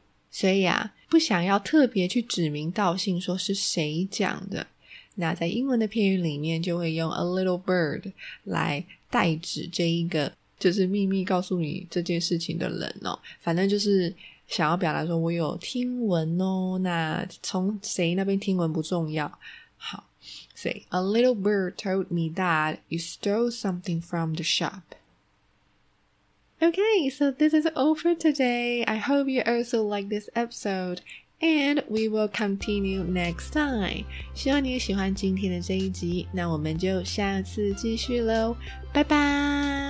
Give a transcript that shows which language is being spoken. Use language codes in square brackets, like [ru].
[zh] 所以啊，不想要特别去指名道姓说是谁讲的，那在英文的片语里面就会用 a little bird 来代指这一个就是秘密告诉你这件事情的人哦，反正就是想要表达说我有听闻哦，那从谁那边听闻不重要。好，所以 [en] a little bird told me that you stole something from the shop. Okay, so this is all for today. I hope you also like this episode, and we will continue next time. [zh] 希望你也喜欢今天的这一集，那我们就下次继续咯，拜拜。